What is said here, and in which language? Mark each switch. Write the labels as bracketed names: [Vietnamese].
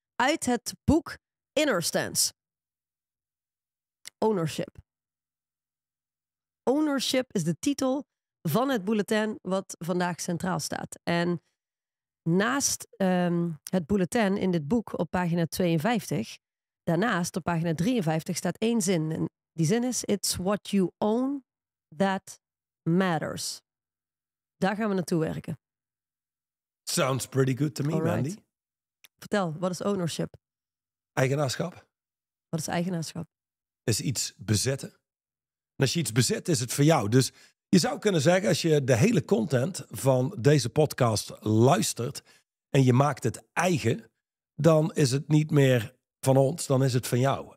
[Dutch] Uit het boek Inner Stance. Ownership. Ownership is de titel van het bulletin wat vandaag centraal staat. En naast het bulletin in dit boek op pagina 52, daarnaast op pagina 53 staat één zin. En die zin is, [English] it's what you own that matters. [Dutch] Daar gaan we naartoe werken. [English] Sounds pretty good to me, right. Mandy. [Dutch] Vertel, wat is ownership? Eigenaarschap. Wat is eigenaarschap? Is iets bezitten. En als je iets bezit, is het voor jou. Dus je zou kunnen zeggen, als je de hele content van deze podcast luistert en je maakt het eigen, dan is het niet meer van ons, dan is het van jou.